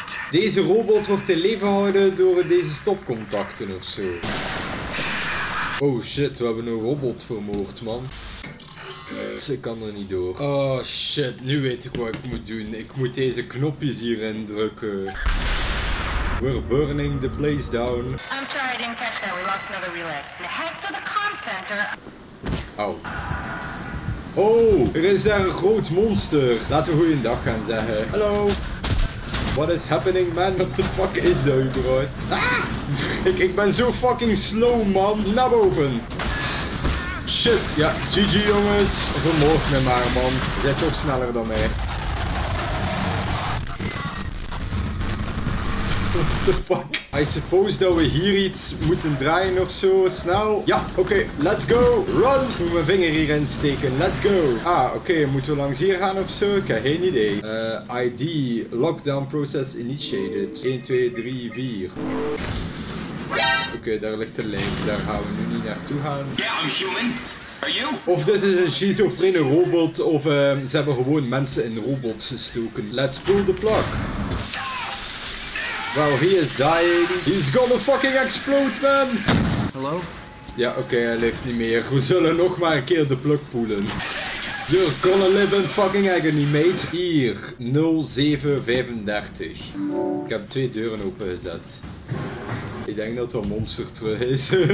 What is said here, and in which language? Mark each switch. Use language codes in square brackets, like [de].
[nl] Deze robot wordt in leven gehouden door deze stopcontacten ofzo. Oh shit, we hebben een robot vermoord, man. Ze kan er niet door. Oh shit, nu weet ik wat ik moet doen. Ik moet deze knopjes hierin drukken. [en] We're burning the place down. I'm sorry, I didn't catch that. We lost another relay. Head for the comm center. [nl] Au. Oh, er is daar een groot monster. Laten we goeiedag gaan zeggen. Hallo. [en] What is happening, man? What the fuck is [nl] dat überhaupt? [en] Ah! [nl] Ik ben zo fucking slow, man. Naar boven. Shit. Ja, GG, jongens. Vermoord me maar, man. Zij toch sneller dan mij. [en] What the fuck? I suppose [nl] dat we hier iets moeten draaien of zo. Snel. Ja, oké. [en] Okay, let's go. Run. [nl] Ik moet mijn vinger hierin steken. [en] Let's go. [nl] Ah, oké. Okay, moeten we langs hier gaan of zo? Ik heb geen idee. ID. [en] Lockdown process initiated. 1, 2, 3, 4. [nl] Oké, okay, daar ligt de lijn. Daar gaan we nu niet naartoe gaan. [en] Yeah, I'm human. Are you? [nl] Of dit is een schizofrene robot. Of ze hebben gewoon mensen in robots gestoken. [en] Let's pull the plug. Wow, he is dying. He's gonna fucking explode, man. Hello? [nl] Ja, oké, hij leeft niet meer. We zullen nog maar een keer de plug poelen. [en] You're gonna live in fucking agony, mate. [nl] Hier, 0735. Ik heb twee deuren opengezet. Ik denk dat er een monster terug is.